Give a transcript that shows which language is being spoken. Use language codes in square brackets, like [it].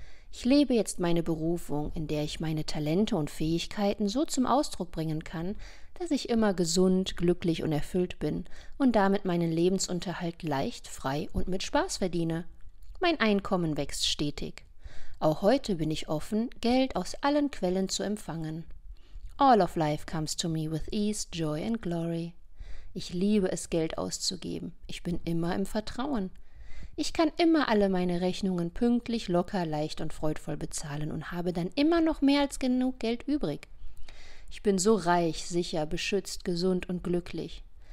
[de] Ich lebe jetzt meine Berufung, in der ich meine Talente und Fähigkeiten so zum Ausdruck bringen kann, dass ich immer gesund, glücklich und erfüllt bin und damit meinen Lebensunterhalt leicht, frei und mit Spaß verdiene. Mein Einkommen wächst stetig. Auch heute bin ich offen, Geld aus allen Quellen zu empfangen. [en] All of life comes to me with ease, joy and glory. [de] Ich liebe es, Geld auszugeben. Ich bin immer im Vertrauen. Ich kann immer alle meine Rechnungen pünktlich, locker, leicht und freudvoll bezahlen und habe dann immer noch mehr als genug Geld übrig. Ich bin so reich, sicher, beschützt, gesund und glücklich.